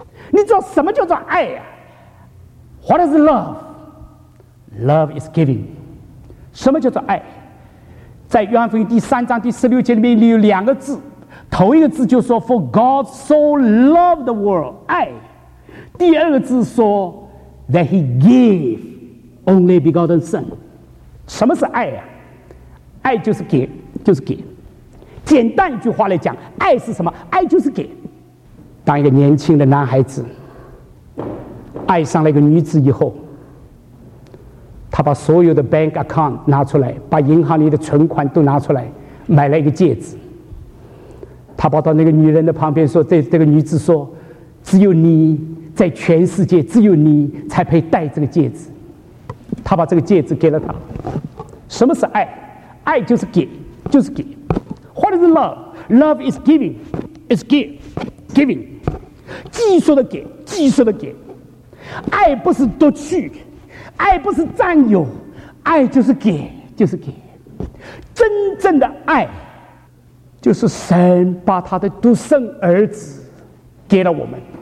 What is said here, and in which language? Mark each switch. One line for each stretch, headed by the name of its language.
Chinese: 你知道什么叫做爱啊？
English: What is love? Love is giving。
Chinese: 什么叫做爱？在约翰福音第三章第十六节里面有两个字，头一个字就说
English: For God so loved the world，
Chinese: 爱。
English: 第二个字说That he gave only begotten son。
Chinese: 什么是爱啊？爱就是给，就是给。简单一句话来讲，爱是什么？爱就是给。当一个年轻的男孩子爱上了一个女子以后，他把所有的 bank account 拿出来，把银行里的存款都拿出来，买了一个戒指。他跑到那个女人的旁边说，对这个女子说，只有你在全世界，只有你才配戴这个戒指。他把这个戒指给了他。什么是爱？爱就是给，就是给。
English: What is love? Love is giving， is give， giving。
Chinese: 技术的给，技术的给。爱不是夺取，爱不是占有，爱就是给，就是给。真正的爱就是神把他的独生儿子给了我们。